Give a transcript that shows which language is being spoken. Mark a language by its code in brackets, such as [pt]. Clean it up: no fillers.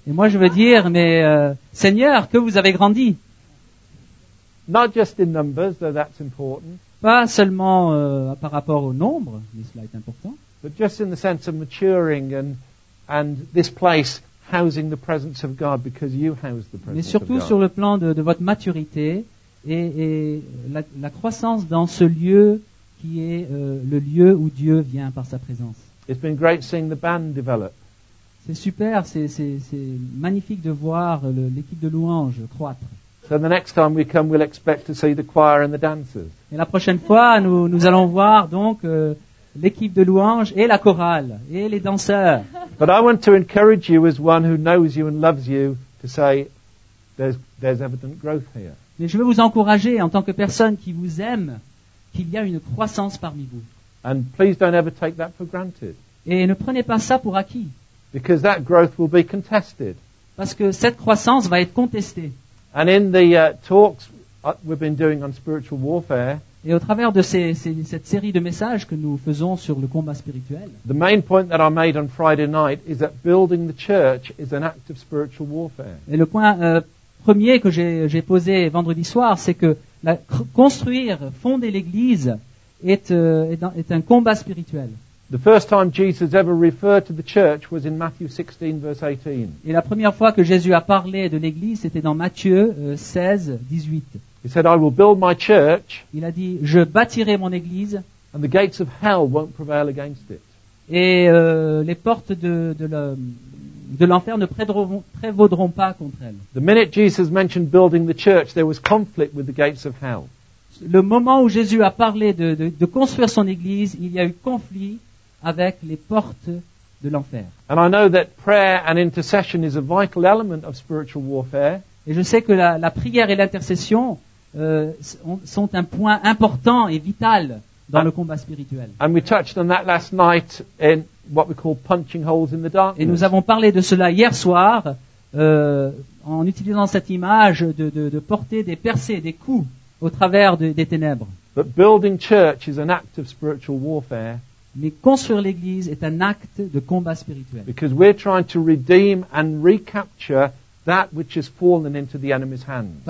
[fr] Et moi je veux dire, mais Seigneur, que vous avez grandi. [en] Not just in numbers, though that's important. [fr] Pas seulement par rapport au nombre, mais cela est important. [en] But just in the sense of maturing and this place housing the presence of God because you house the presence of God. [fr] Mais surtout sur le plan de votre maturité et la croissance dans ce lieu qui est le lieu où Dieu vient par sa présence. [en] It's been great seeing the band develop. [fr] C'est super, c'est magnifique de voir l'équipe de louanges croître. [en] So the next time we come, we'll expect to see the choir and the dancers. [fr] Et la prochaine fois, nous allons voir donc l'équipe de louanges et la chorale et les danseurs. [en] But I want to encourage you, as one who knows you and loves you, to say there's evident growth here. [fr] Mais je veux vous encourager en tant que personne qui vous aime, qu'il y a une croissance parmi vous. [en] And please don't ever take that for granted. [fr] Et ne prenez pas ça pour acquis. [en] Because that growth will be contested. [fr] Parce que cette croissance va être contestée. [en] And in the talks we've been doing on spiritual warfare, [fr] et au travers de cette série de messages que nous faisons sur le combat spirituel, [en] the main point that I made on Friday night is that building the church is an act of spiritual warfare. [fr] Et le point premier que j'ai posé vendredi soir, c'est que construire, fonder l'église est un combat spirituel. [en] The first time Jesus ever referred to the church was in Matthew 16, verse 18. [fr] Et la première fois que Jésus a parlé de l'église, c'était dans Matthieu 16, 18. [en] He said, I will build my church. [fr] Il a dit, je bâtirai mon église. [en] And the gates of hell won't prevail against it. [fr] Et les portes de l'enfer ne prévaudront pas contre elle. [en] The minute Jesus mentioned building the church, there was conflict with the gates of hell. [fr] Le moment où Jésus a parlé de construire son église, il y a eu conflit avec les portes de l'enfer. [en] And I know that prayer and intercession is a vital element of spiritual warfare. [fr] Et je sais que la prière et l'intercession sont un point important et vital dans le combat spirituel. [en] And we touched on that last night in what we call punching holes in the darkness. [fr] Et nous avons parlé de cela hier soir en utilisant cette image de porter des percées, des coups au travers des ténèbres. [en] But building church is an act of spiritual warfare. [fr] Mais construire l'église est un acte de combat spirituel. [en] Because we're trying to redeem and recapture that which has fallen into the enemy's hands.